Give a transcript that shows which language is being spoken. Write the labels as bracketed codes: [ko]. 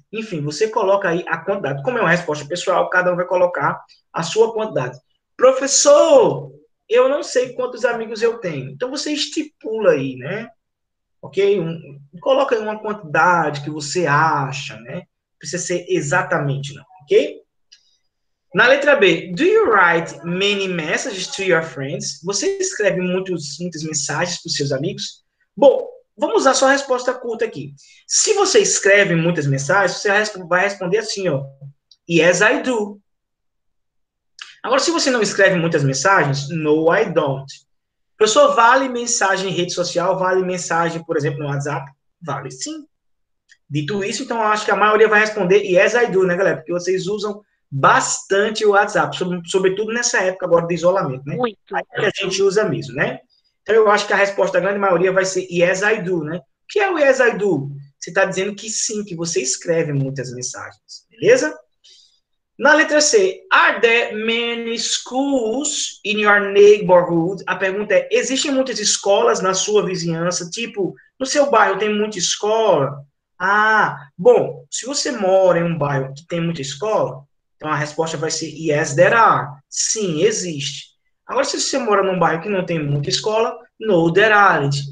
[pt] Enfim, você coloca aí a quantidade. Como é uma resposta pessoal, cada um vai colocar a sua quantidade. Professor, eu não sei quantos amigos eu tenho. Então, você estipula aí, né? Ok? Coloca aí uma quantidade que você acha, né? Não precisa ser exatamente, não. Ok? Na letra B, [en] do you write many messages to your friends? [pt] Você escreve muitas mensagens para os seus amigos? Bom, vamos usar sua resposta curta aqui. Se você escreve muitas mensagens, você vai responder assim, ó. [en] Yes, I do. [pt] Agora, se você não escreve muitas mensagens, [en] no, I don't. [pt] Pessoa, vale mensagem em rede social? Vale mensagem, por exemplo, no WhatsApp? Vale sim. Dito isso, então, eu acho que a maioria vai responder [en] yes, I do, [pt] né, galera? Porque vocês usam bastante o WhatsApp, sobretudo nessa época agora de isolamento, né? Muito. Aí que a gente usa mesmo, né? Então, eu acho que a resposta da grande maioria vai ser [en] yes, I do, [pt] né? O que é o yes, I do? Você está dizendo que sim, que você escreve muitas mensagens, beleza? Na letra C, [en] are there many schools in your neighborhood? [pt] A pergunta é, existem muitas escolas na sua vizinhança? Tipo, no seu bairro tem muita escola? Ah, bom, se você mora em um bairro que tem muita escola, então a resposta vai ser [en] yes, there are. [pt] Sim, existe. Agora, se você mora num bairro que não tem muita escola, [en] no, there aren't.